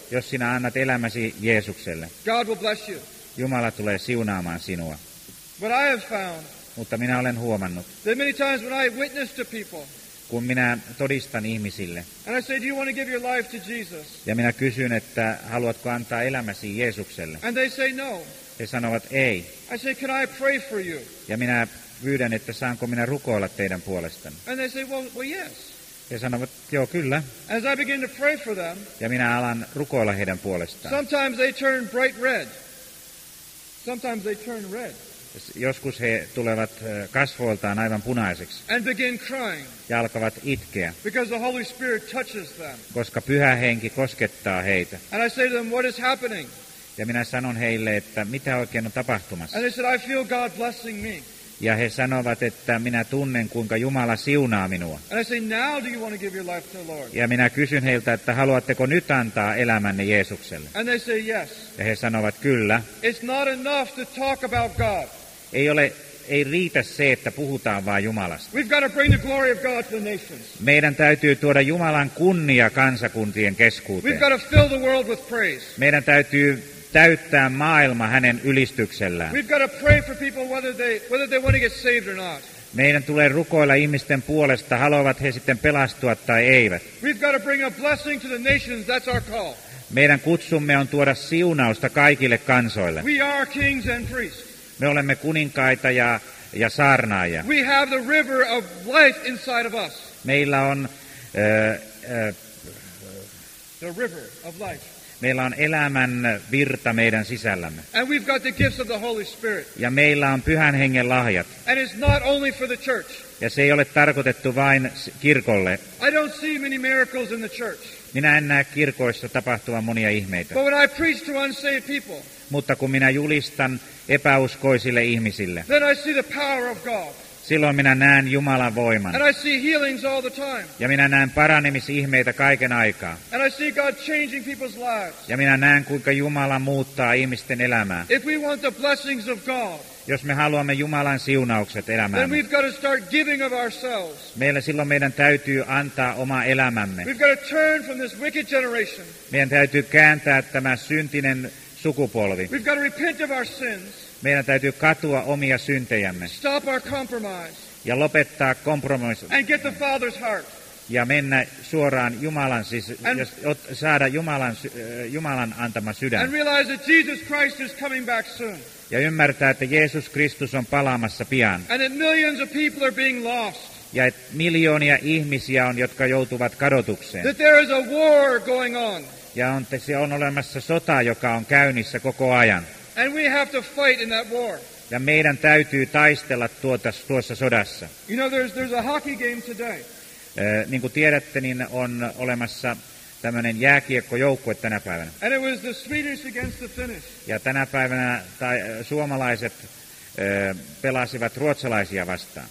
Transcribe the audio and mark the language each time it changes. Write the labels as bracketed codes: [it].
[fi] jos sinä annat elämäsi Jeesukselle, [en] God will bless you. [fi] Jumala tulee siunaamaan sinua. [en] But I have found, [fi] mutta minä olen huomannut, [en] that many times when I witness to people, [fi] kun minä todistan ihmisille. [en] And I say, "Do you want to give your life to Jesus?" [fi] Ja minä kysyn, että haluatko antaa elämäsi Jeesukselle. [en] And they say, "No." [fi] He sanovat, ei. [en] I say, "Can I pray for you?" [fi] Ja minä pyydän, että saanko minä rukoilla teidän puolestanne. [en] And they say, well, yes." [fi] He sanovat, joo, kyllä. [en] As I begin to pray for them, [fi] ja minä alan rukoilla heidän puolestaan. [en] Sometimes they turn bright red. Sometimes they turn red. [fi] Joskus he tulevat kasvoiltaan aivan punaiseksi. [en] And begin crying. [fi] Ja alkavat itkeä. [en] Because the Holy Spirit touches them. [fi] Koska Pyhä Henki koskettaa heitä. [en] And I say to them, "What is happening?" [fi] Ja minä sanon heille, että mitä oikein on tapahtumassa. [en] And they said, "I feel God blessing me." [fi] Ja he sanovat, että minä tunnen, kuinka Jumala siunaa minua. [en] And I say, "Now do you want to give your life to the Lord?" [fi] Ja minä kysyn heiltä, että haluatteko nyt antaa elämänne Jeesukselle. [en] And they say, "Yes." [fi] Ja he sanovat, kyllä. [en] It's not enough to talk about God. [fi] Ei riitä se, että puhutaan vain Jumalasta. [en] We've got to bring the glory of God to the nations. [fi] Meidän täytyy tuoda Jumalan kunnia kansakuntien keskuuteen. [en] We've got to fill the world with praise. [fi] Meidän täytyy täyttää maailma hänen ylistyksellään. [en] We've got to pray for people whether they want to get saved or not. [fi] Meidän tulee rukoilla ihmisten puolesta, haluavat he sitten pelastua tai eivät. [en] We've got to bring a blessing to the nations. That's our call. [fi] Meidän kutsumme on tuoda siunausta kaikille kansoille. [en] We are kings and priests. [fi] Me olemme kuninkaita ja saarnaajia. [en] We have the river of life inside of us. [fi] Meillä on [en] the river of life. [fi] Meillä on elämän virta meidän sisällämme. [en] And we've got the gifts of the Holy Spirit. [fi] Ja meillä on Pyhän Hengen lahjat. [en] And it's not only for the church. [fi] Ja se ei ole tarkoitettu vain kirkolle. [en] I don't see many miracles in the church. [fi] Minä en näe kirkoissa tapahtuvan monia ihmeitä. [en] But when I preach to unsaved people, [fi] mutta kun minä julistan epäuskoisille ihmisille, [en] then I see the power of God. [fi] Silloin minä näen Jumalan voiman. [en] And I see healings all the time. [fi] Ja minä näen paranemisihmeitä kaiken aikaa. [en] And I see God changing people's lives. [fi] Ja minä näen, kuinka Jumala muuttaa ihmisten elämää. [en] If we want the blessings of God, [fi] jos me haluamme Jumalan siunaukset elämäämme, [en] then we've got to start giving of ourselves. [fi] Meillä silloin meidän täytyy antaa oma elämämme. [en] We've got to turn from this wicked generation. [fi] Meidän täytyy kääntää tämä syntinen sukupolvi. [en] We've got to repent of our sins. [fi] Meidän täytyy katua omia syntejämme. [en] Stop our compromise. [fi] Ja lopettaa kompromissi. [en] And get the Father's heart. [fi] Ja mennä suoraan Jumalan saada Jumalan antama sydän. [en] And realize that Jesus Christ is coming back soon. [fi] Ja ymmärtää, että Jeesus Kristus on palaamassa pian. [en] And that millions of people are being lost. [fi] Ja miljoonia ihmisiä on, jotka joutuvat kadotukseen. [en] That there is a war going on. [fi] Ja on olemassa sota, joka on käynnissä koko ajan. [en] And we have to fight in that war. [fi] Ja meidän täytyy taistella tuossa sodassa. [en] You know, there's a hockey game today. [fi] Niin kuin tiedätte, niin on olemassa tämmöinen jääkiekkojoukkue tänä päivänä. [en] And it was the Swedish against the Finnish. [fi] Ja tänä päivänä suomalaiset pelasivat ruotsalaisia vastaan.